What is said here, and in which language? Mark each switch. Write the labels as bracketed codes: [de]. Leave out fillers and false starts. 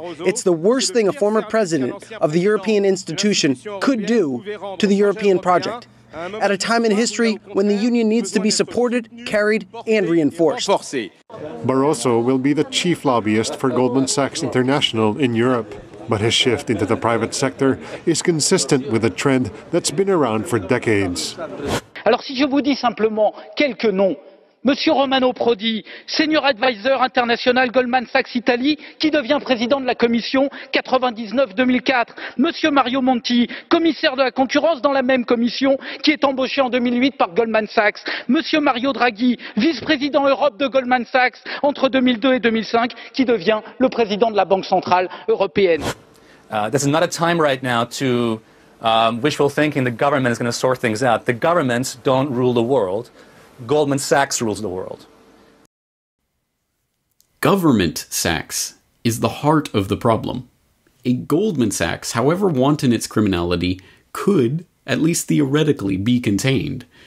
[en] It's the worst thing a former president of the European institution could do to the European project, at a time in history when the union needs to be supported, carried, and reinforced. Barroso will be the chief lobbyist for Goldman Sachs International in Europe, but his shift into the private sector is consistent with a trend that's been around for decades. [fr] Alors si je vous dis simplement quelques noms, Monsieur Romano Prodi, senior advisor international Goldman Sachs Italy, qui devient président de la commission 99-2004. Monsieur Mario Monti, commissaire de la concurrence dans la même commission, qui est embauché en 2008 par Goldman Sachs. Monsieur Mario Draghi, vice-président Europe de Goldman Sachs entre 2002 et 2005, qui devient le président de la Banque centrale européenne. [en] This is not a time right now to wishful thinking the government is going to sort things out. The governments don't rule the world. Goldman Sachs rules the world. Government Sachs is the heart of the problem. A Goldman Sachs, however wanton its criminality, could, at least theoretically, be contained.